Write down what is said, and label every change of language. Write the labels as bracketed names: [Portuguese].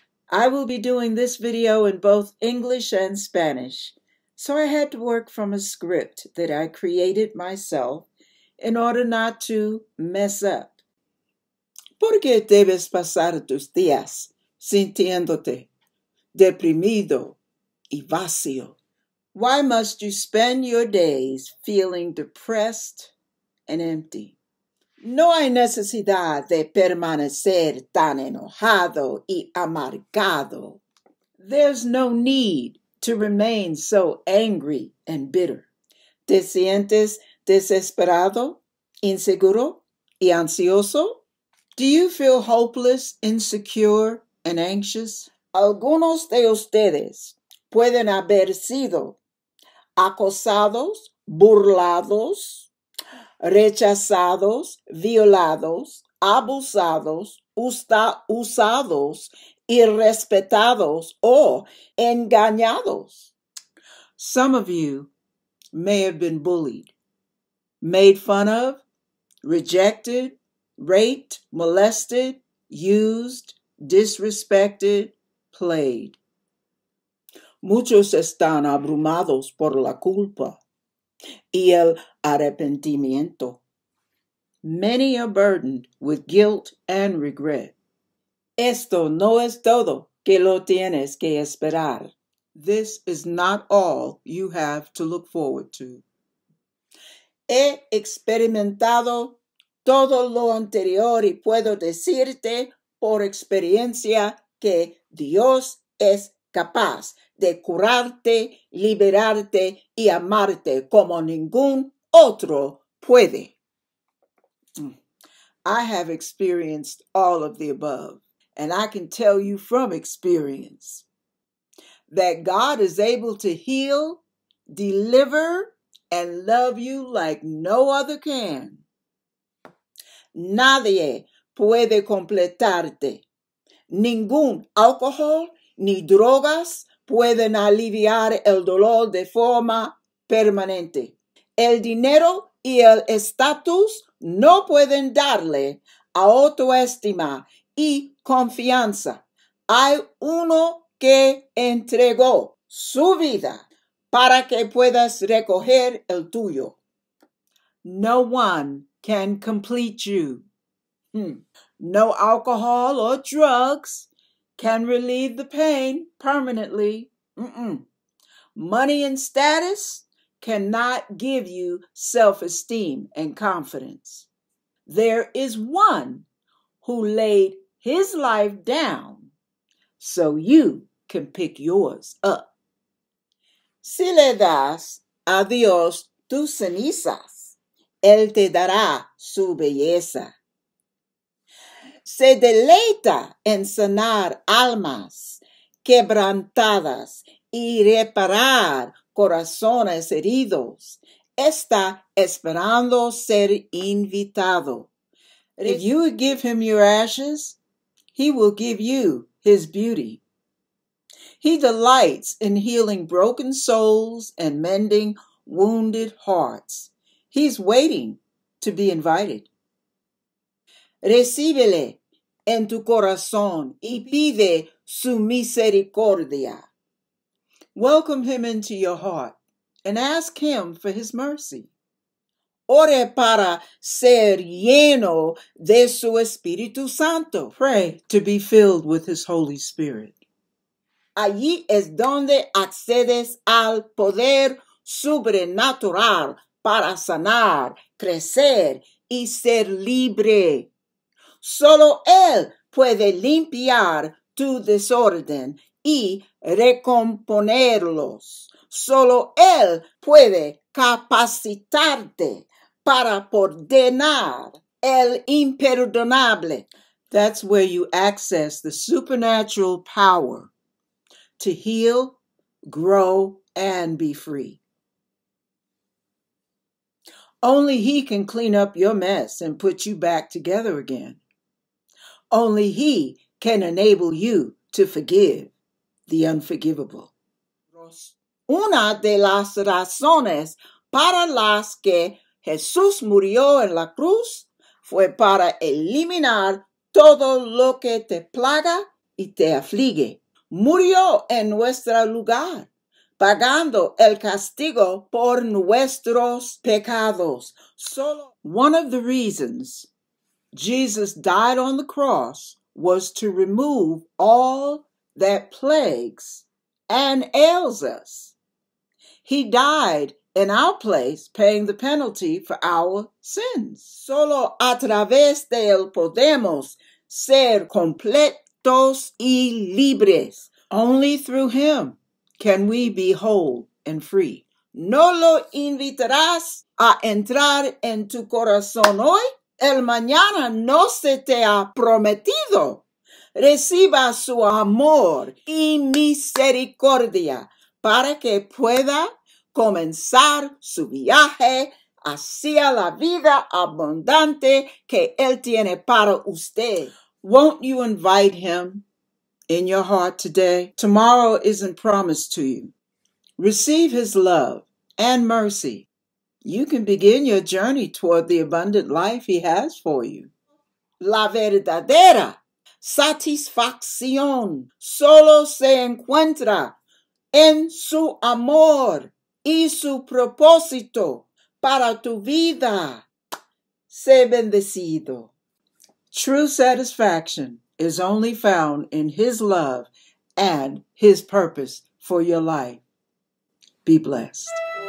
[English] I will be doing this video in both English and Spanish, so I had to work from a script that I created myself in order not to mess up. [Spanish] ¿Por qué debes pasar tus días sintiéndote deprimido y vacío? [English] Why must you spend your days feeling depressed and empty? [Spanish] No hay necesidad de permanecer tan enojado y amargado. [English] There's no need to remain so angry and bitter. [Spanish] ¿Te sientes desesperado, inseguro y ansioso? [English] Do you feel hopeless, insecure, and anxious? [Spanish] Algunos de ustedes pueden haber sido acosados, burlados, rechazados, violados, abusados, usados, irrespetados, o engañados. [English] Some of you may have been bullied, made fun of, rejected, raped, molested, used, disrespected, played. [Spanish] Muchos están abrumados por la culpa y el arrepentimiento. [English] Many are burdened with guilt and regret. [Spanish] Esto no es todo que lo tienes que esperar. [English] This is not all you have to look forward to. [Spanish] He experimentado todo lo anterior y puedo decirte por experiencia que Dios es capaz de curarte, liberarte y amarte como ningún otro puede. [English] I have experienced all of the above, and I can tell you from experience that God is able to heal, deliver, and love you like no other can. [Spanish] Nadie puede completarte. Ningún alcohol ni drogas pueden aliviar el dolor de forma permanente. El dinero y el estatus no pueden darle autoestima y confianza. Hay uno que entregó su vida para que puedas recoger el tuyo. [English] No one can complete you. No alcohol or drugs can relieve the pain permanently. Money and status cannot give you self-esteem and confidence. There is one who laid his life down so you can pick yours up. [Spanish] Si le das a Dios tus cenizas, Él te dará su belleza. Se deleita en sanar almas quebrantadas y reparar corazones heridos. Está esperando ser invitado. [English] If you give him your ashes, he will give you his beauty. He delights in healing broken souls and mending wounded hearts. He's waiting to be invited. [Spanish] Recíbele en tu corazón y pide su misericordia. [English] Welcome him into your heart and ask him for his mercy. [Spanish] Ore para ser lleno de su Espíritu Santo. [English] Pray to be filled with his Holy Spirit. [Spanish] Allí es donde accedes al poder sobrenatural para sanar, crecer y ser libre. Solo Él puede limpiar tu desorden y recomponerlos. Solo Él puede capacitarte para perdonar el imperdonable. [English] That's where you access the supernatural power to heal, grow, and be free. Only He can clean up your mess and put you back together again. Only He can enable you to forgive the unforgivable. [Spanish] Una de las razones para las que Jesús murió en la cruz fue para eliminar todo lo que te plaga y te aflige. Murió en nuestro lugar, pagando el castigo por nuestros pecados. Solo [English] one of the reasons Jesus died on the cross was to remove all that plagues and ails us. He died in our place, paying the penalty for our sins. [Spanish] Solo a través de él podemos ser completos y libres. [English] Only through him can we be whole and free. [Spanish] ¿No lo invitarás a entrar en tu corazón hoy? El mañana no se te ha prometido. Reciba su amor y misericordia para que pueda comenzar su viaje hacia la vida abundante que él tiene para usted. [English] Won't you invite him in your heart today? Tomorrow isn't promised to you. Receive his love and mercy. You can begin your journey toward the abundant life he has for you. [Spanish] La verdadera satisfacción solo se encuentra en su amor y su propósito para tu vida. Sé bendecido. [English] True satisfaction is only found in his love and his purpose for your life. Be blessed.